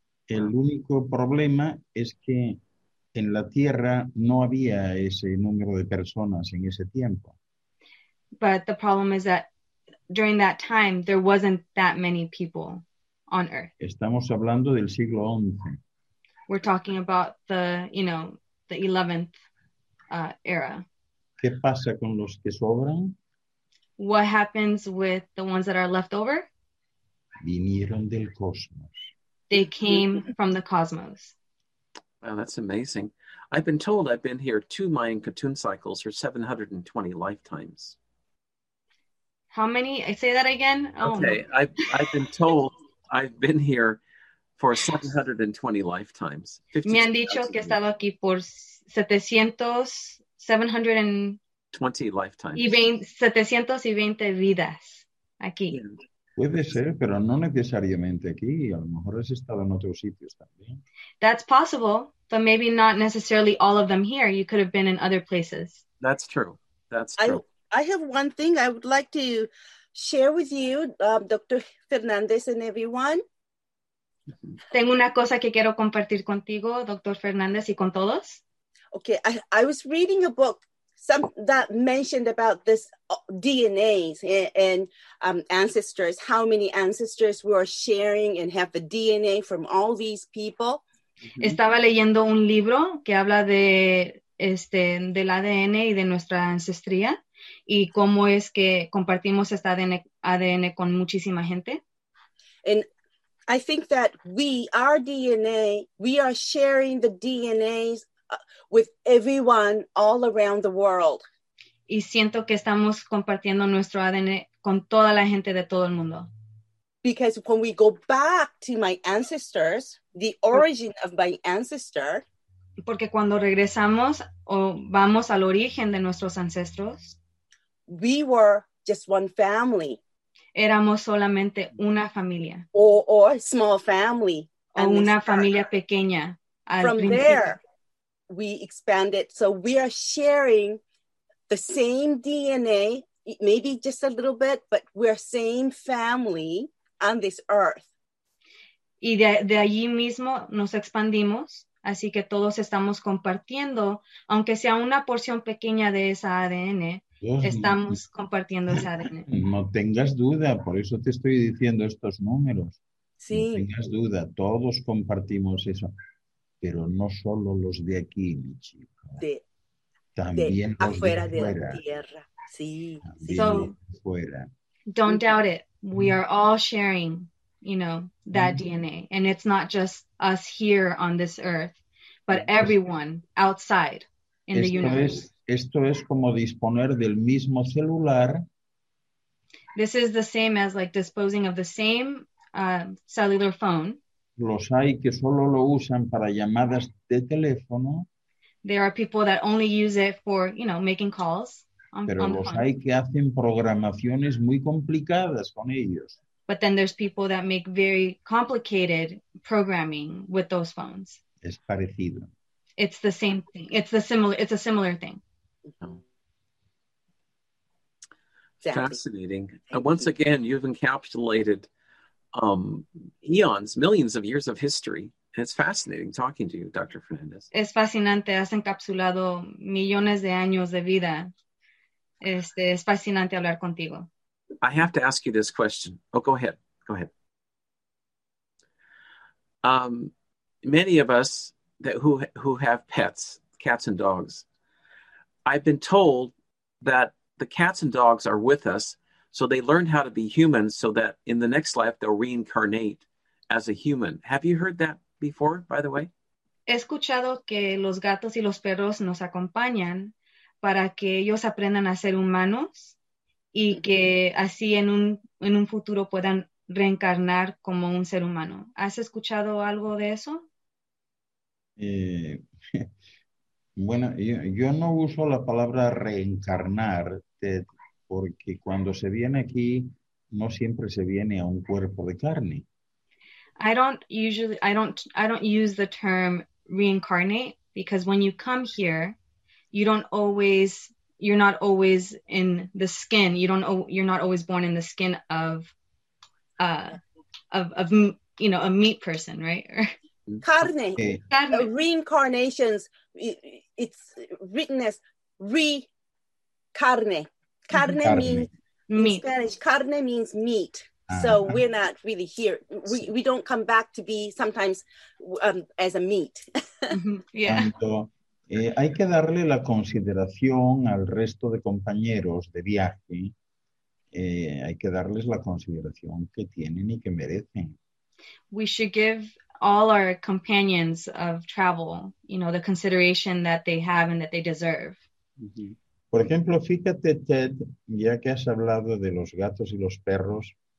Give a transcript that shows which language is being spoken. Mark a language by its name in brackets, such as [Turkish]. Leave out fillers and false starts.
[Spanish] El único problema es que en la tierra no había ese número de personas en ese tiempo. [English] But the problem is that during that time there wasn't that many people on earth. [Spanish] Estamos hablando del siglo XI. [English] We're talking about the, you know, the 11th era. [Spanish] ¿Qué pasa con los que sobran? [English] What happens with the ones that are left over? [Spanish] Vinieron del cosmos. [English] They came from the cosmos. Wow, that's amazing. I've been told I've been here two Mayan Ketun cycles for 720 lifetimes. How many? I say that again? Oh, okay, no. I've been told I've been here for 720 lifetimes. [Spanish] Me han dicho que he estado aquí por 720 [English] lifetimes. [Spanish] 720 vidas aquí. Puede ser, pero no necesariamente aquí. A lo mejor has estado en otros sitios también. [English] That's possible. But maybe not necessarily all of them here. You could have been in other places. That's true. That's true. I have one thing I would like to share with you, Dr. Fernandez and everyone. [Spanish] Tengo una cosa que quiero compartir contigo, Dr. Fernández, y con todos. [English] Okay, I was reading a book that mentioned about this DNA and ancestors, how many ancestors we are sharing and have the DNA from all these people. [Spanish] Estaba leyendo un libro que habla de del ADN y de nuestra ancestría y cómo es que compartimos este ADN con muchísima gente. [English] And I think that we, our DNA, we are sharing the DNAs with everyone all around the world. [Spanish] Y siento que estamos compartiendo nuestro ADN con toda la gente de todo el mundo. [English] Because when we go back to my ancestors, the origin of my ancestor. [Spanish] Porque cuando regresamos o vamos al origen de nuestros ancestros. [English] We were just one family. [Spanish] Éramos solamente una familia. [English] Or a small family. [Spanish] O una familia pequeña. [English] From there, we expanded. So we are sharing the same DNA, maybe just a little bit, but we're same family on this earth. [Spanish] Y de allí mismo nos expandimos. Así que todos estamos compartiendo, aunque sea una porción pequeña de esa ADN, estamos compartiendo esa ADN. No tengas duda, por eso te estoy diciendo estos números. Sí. No tengas duda, todos compartimos eso, pero no solo los de aquí, mi chico. También de los afuera de la tierra. Sí. So, fuera. [English] Don't doubt it. We are all sharing, you know, that DNA. And it's not just us here on this earth, but everyone outside in the universe. [Spanish] Esto es como disponer del mismo celular. [English] This is the same as like disposing of the same cellular phone. [Spanish] Los hay que solo lo usan para llamadas de teléfono. [English] There are people that only use it for, you know, making calls. [Spanish] Pero los hay que hacen programaciones muy complicadas con ellos. [English] But then there's people that make very complicated programming with those phones. [Spanish] Es parecido. [English] It's the same thing. It's a similar thing. Exactly. Fascinating. Once again, you've encapsulated eons, millions of years of history. And it's fascinating talking to you, Dr. Fernandez. [Spanish] Es fascinante. Has encapsulado millones de años de vida. Es fascinante hablar contigo. [English] I have to ask you this question. Oh, go ahead. Go ahead. Many of us that who have pets, cats and dogs, I've been told that the cats and dogs are with us, so they learn how to be humans so that in the next life they'll reincarnate as a human. Have you heard that before, by the way? [Spanish] He escuchado que los gatos y los perros nos acompañan para que ellos aprendan a ser humanos. Y que así en un futuro puedan reencarnar como un ser humano. ¿Has escuchado algo de eso? Bueno, yo no uso la palabra reencarnar, Ted, porque cuando se viene aquí, no siempre se viene a un cuerpo de carne. [English] I don't use the term reincarnate, because when you come here, you're not always in the skin. You're not always born in the skin of you know, a meat person, right? Carne. Okay. Carne. Reincarnations. It's written as carne. Carne. Carne means meat. In Spanish, carne means meat. Uh-huh. So we're not really here. We don't come back to be sometimes as a meat. Yeah. [Spanish] Hay que darle la consideración al resto de compañeros de viaje. Hay que darles la consideración que tienen y que merecen. [English] We should give all our companions of travel, you know, the consideration that they have and that they deserve. [Spanish] Por ejemplo, fíjate, Ted, ya que has hablado de los gatos y los perros.